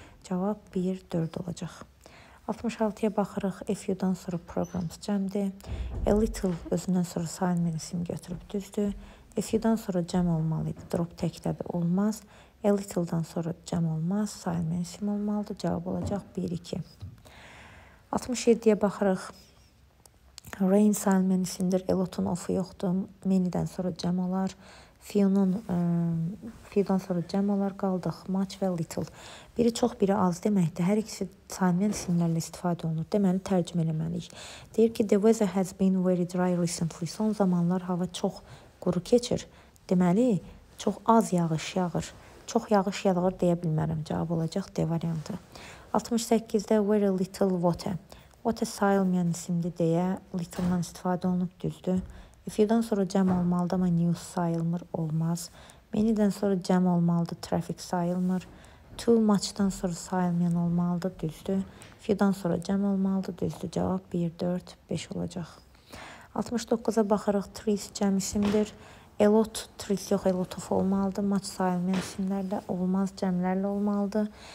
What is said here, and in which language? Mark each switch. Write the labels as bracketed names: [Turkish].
[Azerbaijani] Cavab 1, 4 olacaq. 66-ya baxırıq. Few-dan sonra programs cəmdir. A little özündən sonra sayılmayan isim götürüb düzdür. Few-dan sonra cəm olmalıydı. Drop təkdədir, olmaz. A little-dan sonra cəm olmaz, sayılmayan isim olmalıdır. Cavab olacaq 1, 2. 67-ya baxırıq. Rain sayılmayan isimdir, a lot-un of-u yoxdur, many-dən sonra cəm olar, few-dan sonra cəm olar, qaldıq, much və little. Biri çox, biri az deməkdir, hər ikisi sayılmayan isimlərlə istifadə olunur, deməli tərcüm eləməliyik. Deyir ki, [English] the weather has been very dry recently, [Azerbaijani] son zamanlar hava çox quru keçir, deməli çox az yağış yağır, çox yağış yağır deyə bilmərəm, cavab olacaq D variantı. 68-də very little water. What a sayılmayan isimdir deyə little-dan istifadə olunub düzdür. Few-dan sonra cəm olmalıdır, amma news sayılmır, olmaz. Many-dən sonra cəm olmalıdır, traffic sayılmır. Too much-dan sonra sayılmayan olmalıdır, düzdür. Few-dan sonra cəm olmalıdır, düzdür. Cavab 1, 4, 5 olacaq. 69-a baxırıq, trees cəm isimdir. A lot, trees yox, a lot of olmalıdır. Much sayılmayan isimlərlə, olmaz cəmlərlə olmalıdır.